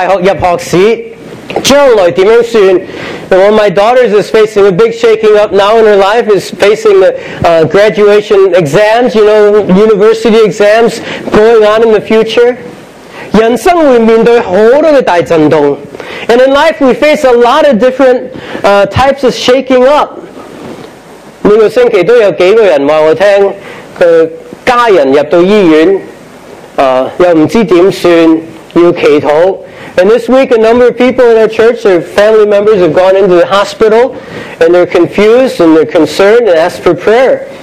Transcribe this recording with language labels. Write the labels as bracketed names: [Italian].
[Chinese] 我的女兒今年就遇到很大的震動，又要面對畢業試，面對大學入學試，將來怎樣算？ [English] Well, my daughter is facing a big shaking up now in her life, is facing the graduation exams, you know, university exams going on in the future. [Chinese] 人生會面對很多的大震動。 [English] And in life, we face a lot of different types of shaking up. [Chinese] 每個星期都有幾個人告訴我，他家人入到醫院，又不知怎麼辦，要祈禱。 [English] And this week, a number of people in our church, their family members have gone into the hospital, and they're confused, and they're concerned, and asked for prayer.